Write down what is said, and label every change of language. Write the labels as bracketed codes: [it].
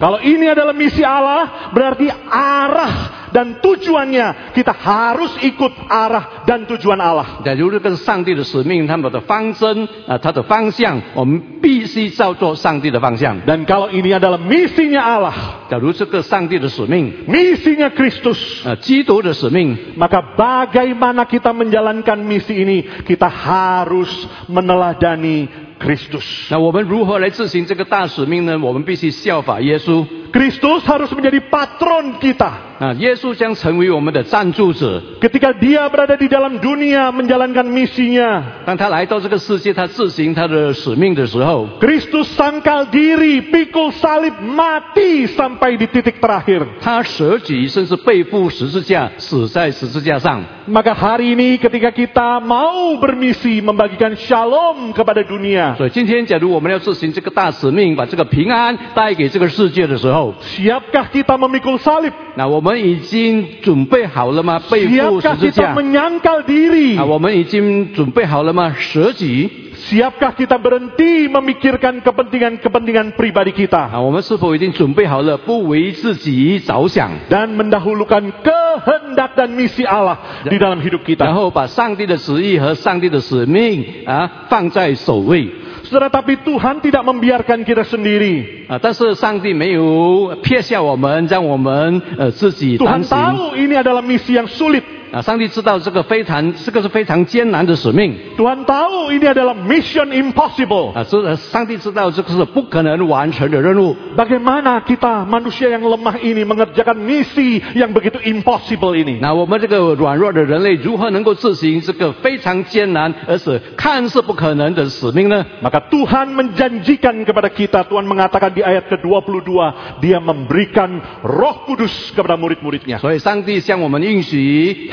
[id] Kalau ini adalah misi Allah, berarti arah dan tujuannya kita harus ikut arah dan tujuan Allah. [zh] 假如这个上帝的使命，他们的方针，他的方向，我们必须照着上帝的方向。 [id] Dan kalau ini adalah misinya Allah, [zh] 假如这个上帝的使命， [id] misinya Kristus, [zh] 基督的使命， [id] maka bagaimana kita menjalankan misi ini, kita harus meneladani Kristus. [zh] 那我们如何来执行这个大使命呢？我们必须效法耶稣。 [id] Kristus harus menjadi patron kita. [zh] Yesus将成为我们的赞助者。 [id] Ketika dia berada di dalam dunia menjalankan misinya, [zh] 当他来到这个世界，他执行他的使命的时候， [id] Kristus sangkal diri, pikul salib, mati sampai di titik terakhir. [zh] 他舍己，甚至背负十字架，死在十字架上。 [id] Maka hari ini ketika kita mau bermisi membagikan shalom kepada dunia, [zh] 所以今天假如我们要执行这个大使命，把这个平安带给这个世界的时候，候。 [id] Siapkah kita memikul salib? [zh] Nah, 我们已经准备好了吗？背负十字架。 [id] Siapkah kita menyangkal diri? [zh] Nah, 我们已经准备好了吗？舍己。 [id] Siapkah kita berhenti memikirkan kepentingan-kepentingan pribadi kita? [zh] Nah, 我们是否已经准备好了不为自己着想 [id] dan mendahulukan kehendak dan misi Allah di dalam hidup kita? [zh] 然后把上帝的旨意和上帝的使命啊放在首位。 [id] Tetapi Tuhan tidak membiarkan kita sendiri. [zh] 啊，但是上帝没有撇下我们，让我们自己担心。 [id] Tuhan tahu ini adalah misi yang sulit. [zh] 啊，上帝知道这个非常，这个是非常艰难的使命。 [id] Tuhan tahu ini adalah [en] mission impossible. [zh] 啊，是上帝知道这个是不可能完成的任务。 [id] Bagaimana kita manusia yang lemah ini mengerjakan misi yang begitu impossible ini? [zh] 那我们这个软弱的人类如何能够执行这个非常艰难而是看似不可能的使命呢？ [id] Maka Tuhan menjanjikan kepada kita, Tuhan mengatakan di ayat ke-22, Dia memberikan Roh Kudus kepada murid-muridnya. [zh] 所以上帝向我们应许。